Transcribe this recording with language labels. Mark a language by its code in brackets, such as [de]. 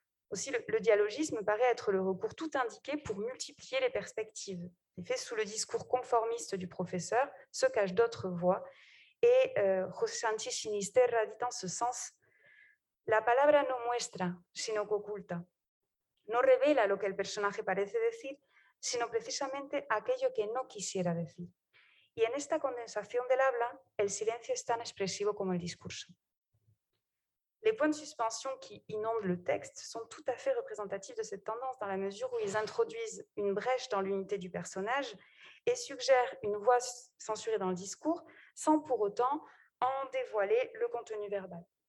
[fr] Aussi, le dialogisme paraît être le recours tout indiqué pour multiplier les perspectives. En effet, sous le discours conformiste du professeur se cachent d'autres voix, et José Sánchez Sinisterra dit en ce sens « [es] La palabra no muestra, sino que oculta. No revela lo que el personaje parece decir, sino precisamente aquello que no quisiera decir. Y en esta condensación del habla, el silencio es tan expresivo como el discurso. [fr] Les points de suspension qui inondent le texte sont tout à fait représentatifs de cette tendance dans la mesure où ils introduisent une brèche dans l'unité du personnage et suggèrent une voix censurée dans le discours sans pour autant en dévoiler le contenu verbal.